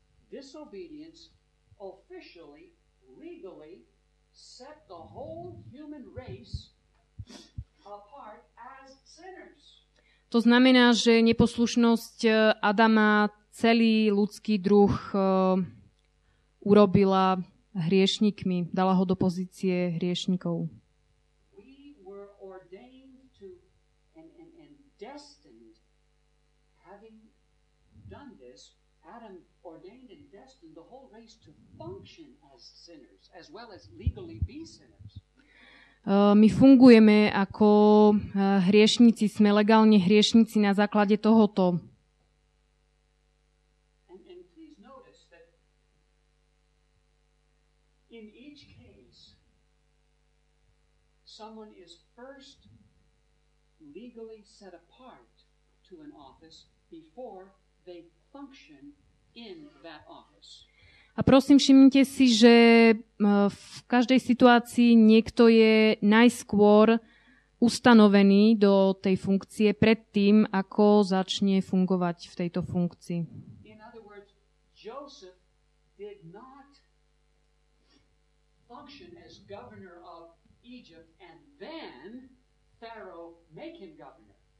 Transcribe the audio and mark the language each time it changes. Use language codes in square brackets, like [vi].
[en] Disobedience officially, legally set the whole human race apart as sinners. [sk] To znamená, že neposlušnosť Adama celý ľudský druh urobila hriešnikmi, dala ho do pozície hriešnikov. [en] We were ordained to and destined, having done this, Adam ordained and destined the whole race to function as sinners, as well as legally be sinners. [sk] My fungujeme ako hriešnici, sme legálne hriešnici na základe tohoto. [en] And please notice that in each case someone is first legally set apart to an office before they function in that office. [sk] A prosím, všimnite si, že v každej situácii niekto je najskôr ustanovený do tej funkcie pred tým, ako začne fungovať v tejto funkcii. [en] In other words, Joseph did not function as governor of Egypt and then Pharaoh make him governor.